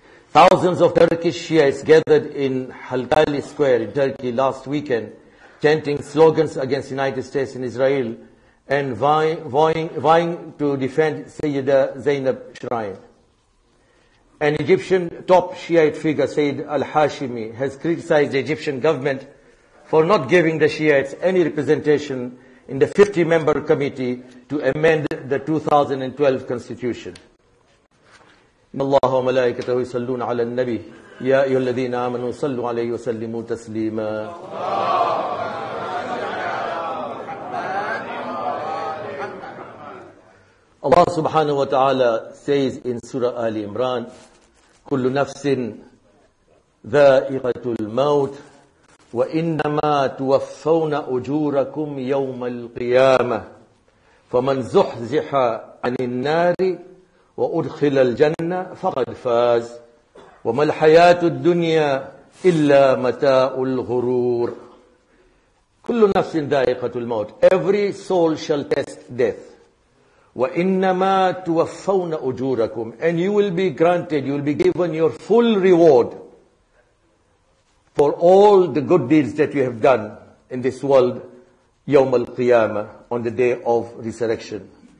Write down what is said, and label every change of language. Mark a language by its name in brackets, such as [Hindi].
[English] Thousands of Turkish Shias gathered in Haltali Square in Turkey last weekend, chanting slogans against the United States and Israel, and vying to defend Sayyida Zainab Shrine. An Egyptian top Shiite figure, Sayyid al-Hashimi, has criticized the Egyptian government for not giving the Shiites any representation in the 50-member committee to amend the 2012 constitution. [Arabic] إِنَّ اللَّهَ وَمَلَائِكَتَهُ يُصَلُّونَ عَلَى النَّبِيِّ يَا أَيُّهَا الَّذِينَ آمَنُوا صَلُّوا عَلَيْهِ وَسَلِّمُوا تَسْلِيمًا [English] Allah subhanahu wa ta'ala says in Surah Ali Imran, [Arabic] كُلُّ نَفْسٍ ذَائِقَةُ الْمَوْتِ وَإِنَّمَا تُوَفَّوْنَ أُجُورَكُمْ يَوْمَ الْقِيَامَةِ فَمَنْ زُحْزِحَ عَنِ النَّارِ وَأُدْخِلَ الْجَنَّةِ فَقَدْ فَازْ وَمَا الْحَيَاةُ الدُّنْيَا إِلَّا مَتَاءُ الْغُرُورِ كُلُّ نَفْسٍ ذَائِقَةُ الْمَوْتِ [English] Every soul shall taste death. [Arabic] وَإِنَّمَا تُوَفَّوْنَ أُجُورَكُمْ [English] And you will be granted, you will be given your full reward for all the good deeds that you have done in this world, [Arabic] يَوْمَ الْقِيَامَةِ [English] On the day of resurrection.